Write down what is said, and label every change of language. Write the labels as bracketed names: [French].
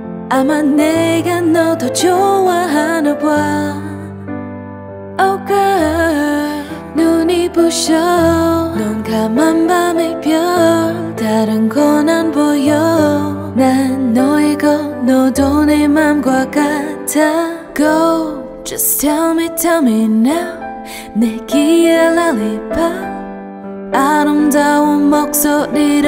[Korean] 아마 내가 너 더 좋아하나 봐. [English] Oh girl, [Korean] 눈이 부셔. 넌 가만 밤의 별, 다른 건 안 보여. 난 너의 것, 너도 내 맘과 같아. [English] Go, just tell me now. [Korean] 내 귀에 lullaby, 아름다운 목소리로.